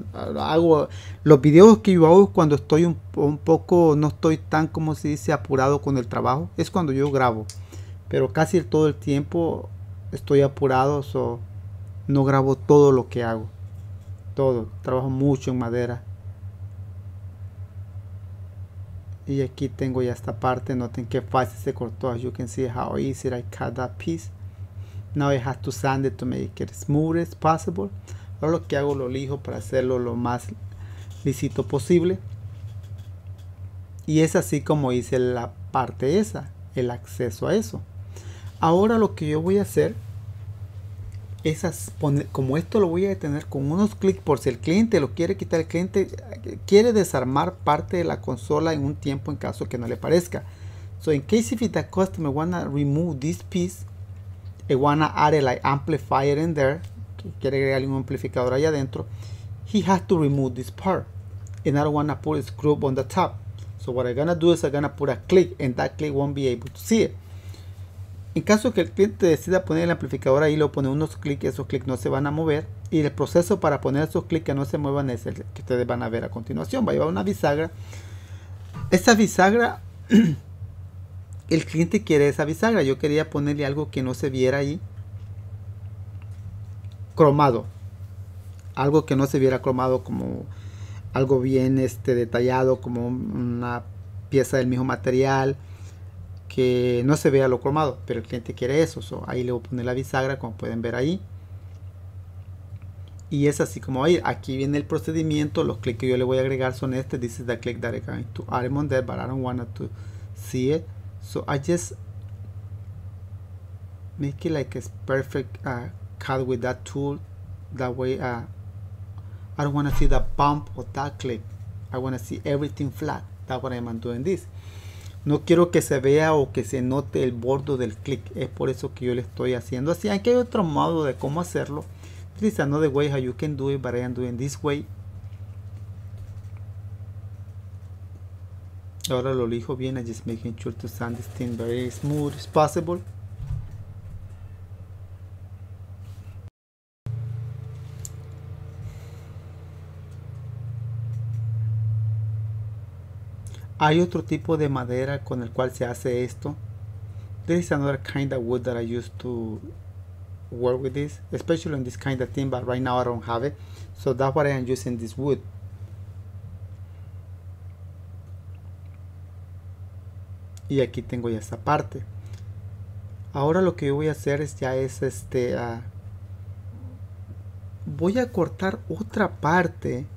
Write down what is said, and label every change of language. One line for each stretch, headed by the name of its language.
Spanish: Hago los videos que yo hago cuando estoy un poco, no estoy tan, como se dice, apurado con el trabajo. Es cuando yo grabo. Pero casi todo el tiempo estoy apurado, so no grabo todo lo que hago. Todo. Trabajo mucho en madera. Y aquí tengo ya esta parte. Noten qué fácil se cortó.
English: As you can see how easy I cut that piece. Now I have to sand it to make it smooth as possible.
Spanish: Ahora lo que hago, lo lijo para hacerlo lo más lisito posible. Y es así como hice la parte esa, el acceso a eso. Ahora lo que yo voy a hacer es poner, como esto lo voy a detener con unos clics, por si el cliente lo quiere quitar, el cliente quiere desarmar parte de la consola en un tiempo en caso que no le parezca.
English: So in case if the customer wanna remove this piece, he wanna add a like amplifier in there,
Spanish: que quiere agregar un amplificador ahí adentro,
English: he has to remove this part. And I don't wanna put a screw on the top. So what I'm gonna do is I'm gonna put a click, and that click won't be able to see it.
Spanish: En caso que el cliente decida poner el amplificador ahí, lo pone unos clics, esos clics no se van a mover. Y el proceso para poner esos clics que no se muevan es el que ustedes van a ver a continuación. Va a llevar una bisagra. Esa bisagra, el cliente quiere esa bisagra. Yo quería ponerle algo que no se viera ahí cromado. Algo que no se viera cromado, como algo bien detallado, como una pieza del mismo material. Que no se vea lo cromado, pero el cliente quiere eso. So, ahí le voy a poner la bisagra, como pueden ver ahí. Y es así como va a ir. Aquí viene el procedimiento. Los clics que yo le voy a agregar son este.
English: This is the click that I'm going to add on there, but I don't want to see it. So I just make it like it's perfect cut with that tool. That way I don't want to see the bump of that click. I want to see everything flat. That's what I'm doing this.
Spanish: No quiero que se vea o que se note el borde del clic. Es por eso que yo le estoy haciendo así. Aquí hay otro modo de cómo hacerlo.
English: Please, I know the way how you can do it, but I am doing this way.
Spanish: Ahora lo lijo bien.
English: I just making sure to sand this thing very smooth as possible.
Spanish: Hay otro tipo de madera con el cual se hace esto.
English: There is another kind of wood that I used to work with this, especially on this kind of thing, but right now I don't have it. So that's what I am using this wood.
Spanish: Y aquí tengo ya esta parte. Ahora lo que yo voy a hacer es ya es voy a cortar otra parte.